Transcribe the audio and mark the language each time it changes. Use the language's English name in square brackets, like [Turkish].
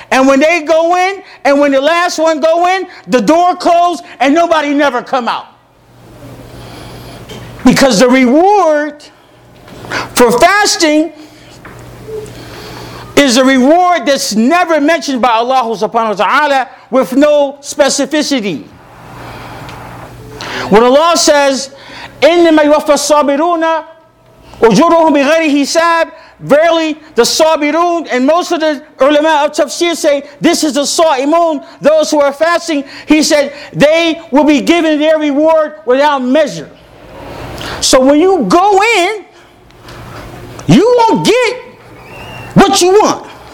[English] And when they go in, and when the last one go in, the door closed, and nobody never come out. Because the reward for fasting is a reward that's never mentioned by Allah subhanahu wa ta'ala with no specificity. When Allah says, [Arabic] إِنَّمَا يُوَفَّى الصَّابِرُونَ أُجُرُهُمْ بِغَيْرِ حِسَابٍ. [English] Verily, the sabirun, and most of the ulama of tafsir say, this is the sa'imun, those who are fasting. He said, they will be given their reward without measure. So when you go in, you won't get what you want.